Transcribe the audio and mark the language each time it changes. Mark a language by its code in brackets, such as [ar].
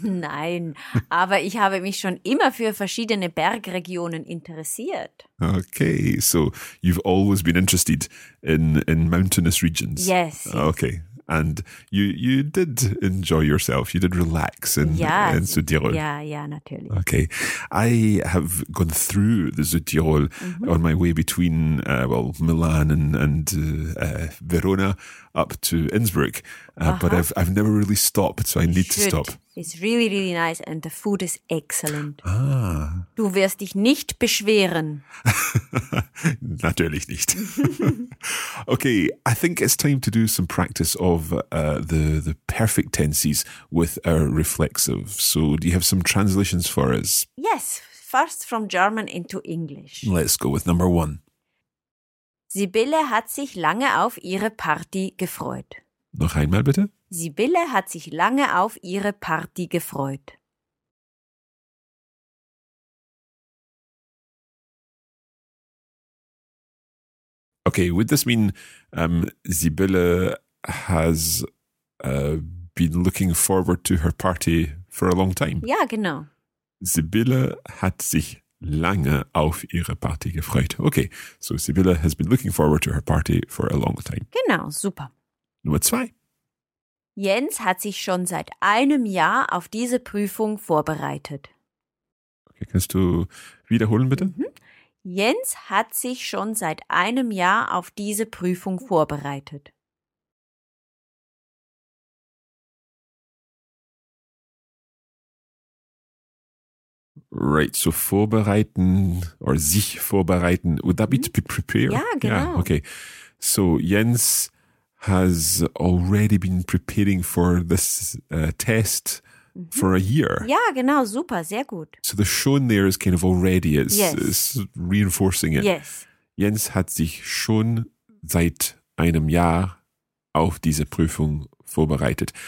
[de] Nein, aber ich habe mich schon immer für verschiedene Bergregionen interessiert. [en] Okay, so you've always been interested in mountainous regions. Yes. Okay, and you did enjoy yourself, you did relax in Südtirol. [de] Ja, natürlich. [en] Okay, I have gone through the Südtirol on my way between, Milan and Verona up to Innsbruck. But I've never really stopped, so I need to stop. It's really, really nice and the food is excellent. Ah. [de] Du wirst dich nicht beschweren. Natürlich nicht. [en] Okay, I think it's time to do some practice of the perfect tenses with our reflexive. So do you have some translations for us? Yes, first from German into English. Let's go with number one. [de] Sibylle hat sich lange auf ihre Party gefreut. Noch einmal bitte. Sibylle hat sich lange auf ihre Party gefreut. [en] Okay, would this mean Sibylle has been looking forward to her party for a long time. [de] Ja, genau. Sibylle hat sich lange auf ihre Party gefreut. [en] Okay, so Sibylle has been looking forward to her party for a long time. [de] Genau, super. Nummer zwei. Jens hat sich schon seit einem Jahr auf diese Prüfung vorbereitet. Okay, kannst du wiederholen bitte? Mhm. Jens hat sich schon seit einem Jahr auf diese Prüfung vorbereitet. [en] Right, so vorbereiten or sich vorbereiten. Would that be to be prepared? [de] Ja, genau. [en] Yeah, okay. So Jens has already been preparing for this test for a year. [de] Ja, genau. Super. Sehr gut. [en] So the schon there is kind of already. It's reinforcing it. Yes. [de] Jens hat sich schon seit einem Jahr auf diese Prüfung vorbereitet.